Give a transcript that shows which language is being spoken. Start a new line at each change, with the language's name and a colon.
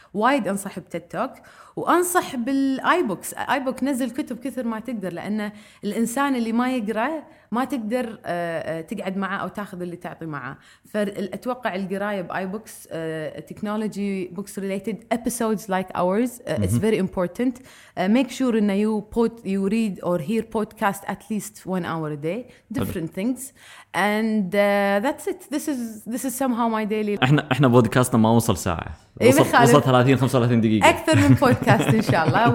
Arabic: وايد أنصح بتيد توك وأنصح بالآي بوكس. آي بوك نزل كتب كثر ما تقدر لأن الإنسان اللي ما يقرأ ما تقدر تقعد معه أو تأخذ اللي تعطي معه. فأتوقع القراية بآي بوكس تكنولوجي بوكس
English: related episodes like ours it's very important. Make sure that you put, you read or hear podcast at least 1 hour a day, different things. And that's it. This is somehow my daily.
Arabic: احنا بودكاستنا ما وصل ساعة. وصل 30-35 دقيقة. أكثر من بودكاست إن شاء الله.